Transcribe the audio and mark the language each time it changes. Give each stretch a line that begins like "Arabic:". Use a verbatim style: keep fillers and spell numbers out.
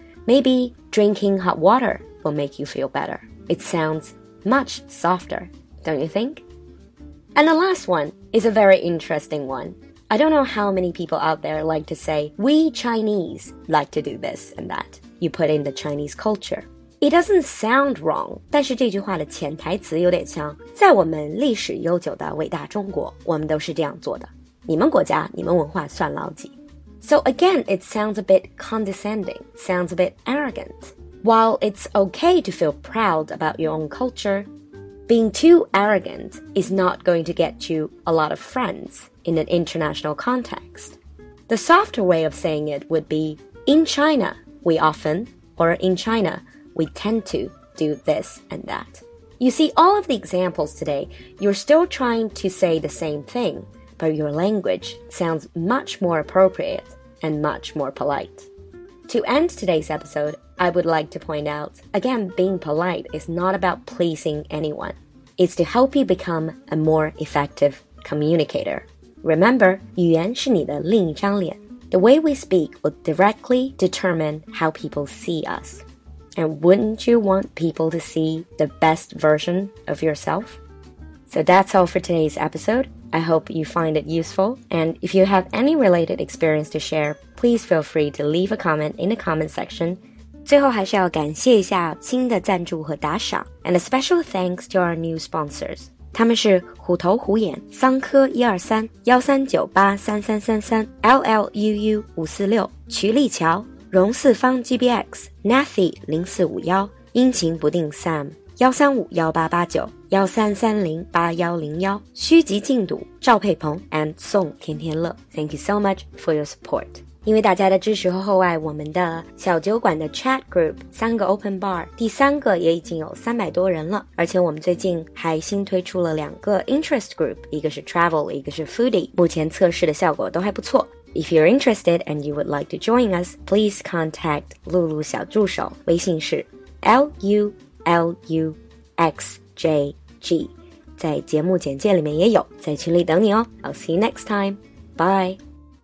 English: Maybe drinking hot water will make you feel better. It sounds much softer, don't you think? And the last one is a very interesting one. I don't know how many people out there like to say, we Chinese like to do this and that. You put in the Chinese culture. It doesn't sound wrong,
Chinese: 但是这句话的潜台词有点像，在我们历史悠久的伟大中国，我们都是这样做的。你们国家，你们文化算老几？
English: So again, it sounds a bit condescending, sounds a bit arrogant. While it's okay to feel proud about your own culture,Being too arrogant is not going to get you a lot of friends in an international context. The softer way of saying it would be, in China, we often, or in China, we tend to do this and that. You see, all of the examples today, you're still trying to say the same thing, but your language sounds much more appropriate and much more polite. To end today's episode, I would like to point out, again, being polite is not about pleasing anyone. It's to help you become a more effective communicator. Remember,
Chinese: 语言是你的另一张脸。
English: The way we speak will directly determine how people see us. And wouldn't you want people to see the best version of yourself? So that's all for today's episode. I hope you find it useful. And if you have any related experience to share, please feel free to leave a comment in the comment section.
Chinese: 最后还是要感谢一下新的赞助和打赏
English: and a special thanks to our new sponsors.
Chinese: 他们是虎头虎眼桑科一二三 一三九八三三三三 L L U U 五四六瞿立桥荣四方 G B X Nathy 零四五一阴晴不定 Sam 一三五一八八九 一三三零八一零一虚极禁赌赵佩鹏 and 宋天天乐
English: Thank you so much for your support.
Chinese: 因为大家的支持和厚爱，我们的小酒馆的 chat group 三个 open bar 第三个也已经有三百多人了，而且我们最近还新推出了两个 interest group， 一个是 travel， 一个是 foodie， 目前测试的效果都还不错。
English: If you're interested and you would like to join us, please contact 露露小助手，微信是 L U L U X J G，
Chinese: 在节目简介里面也有，在群里等你哦。
English: I'll see you next time. Bye.